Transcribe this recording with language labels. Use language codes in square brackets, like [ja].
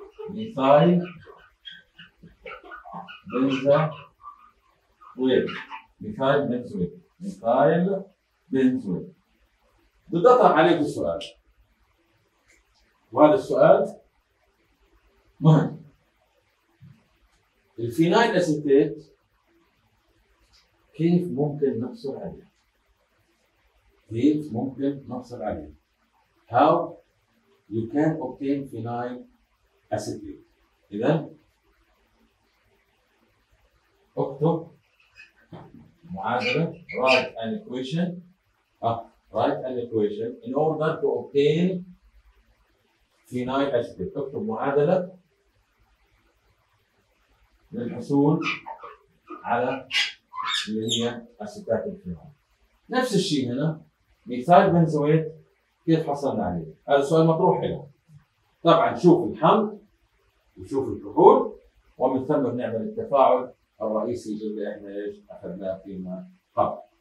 [ar] ميثايل بنزويت. ميثايل بنزويت. ميثايل بنزويت. بدي اطرح عليك السؤال وهذا السؤال مهم. الفينايل اسيتات كيف ممكن نحصل عليه؟ [en] كيف ممكن نحصل عليه؟ How you can obtain phenyl acetate؟ [ar] إذا اكتب معادلة [en] write an equation write an equation in order to obtain phenyl acetate. [ar] اكتب معادلة للحصول على اللي هي أسيتات الفينايل. نفس الشيء هنا ميثايل بنزويت كيف حصلنا عليه؟ هذا سؤال مطروح هنا. طبعا شوف الحمض وشوف الكحول ومن ثم بنعمل التفاعل الرئيسي اللي احنا ايش اخذناه فيما قبل.